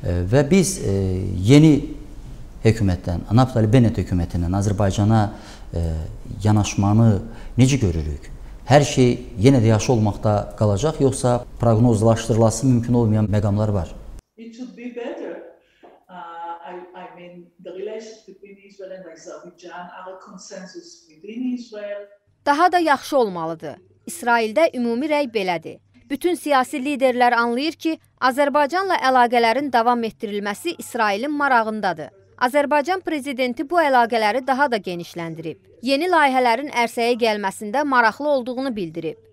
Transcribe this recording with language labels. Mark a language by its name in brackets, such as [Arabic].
[Azerbaijani] Və biz yeni hökumətdən, Naftali Bennett hökumətindən Azərbaycana yanaşmanı necə görürük? Hər şey yenə də yaxşı olmaqda qalacaq, yoxsa proqnozlaşdırılması mümkün olmayan məqamlar var? [English] It should be better. I mean, the relations between Israel and Azerbaijan are a consensus within Israel. [Azerbaijani] Daha da yaxşı olmalıdır. İsraildə ümumi rəy belədir. Bütün siyasi liderlər anlayır ki, Azərbaycanla əlaqələrin davam etdirilməsi İsrailin marağındadır. Azərbaycan prezidenti bu əlaqələri daha da genişləndirib. Yeni layihələrin ərsəyə gəlməsində maraqlı olduğunu bildirib.